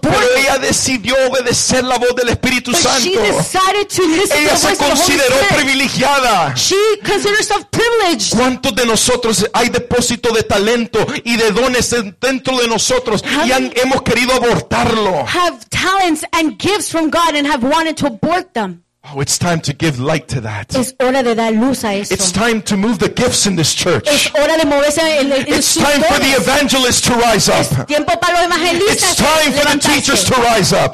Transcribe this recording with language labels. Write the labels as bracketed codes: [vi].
[es] Pero ella decidió obedecer la voz del Espíritu Santo. [en] But she decided to listen to the voice of the Holy Spirit. [es] Ella se consideró privilegiada. [en] She considered herself privileged. [es] ¿Cuántos de nosotros hay depósito de talento y de dones dentro de nosotros y hemos querido abortarlo? [en] Have talents and gifts from God and have wanted to abort them. Oh, it's time to give light to that. [es] Es hora de dar luz a eso. [en] It's time to move the gifts in this church. [es] Es hora de moverse [en] it's time for the evangelists to rise up. [es] Es tiempo para los evangelistas [en] it's time for [es] levantarse. [en] The teachers to rise up.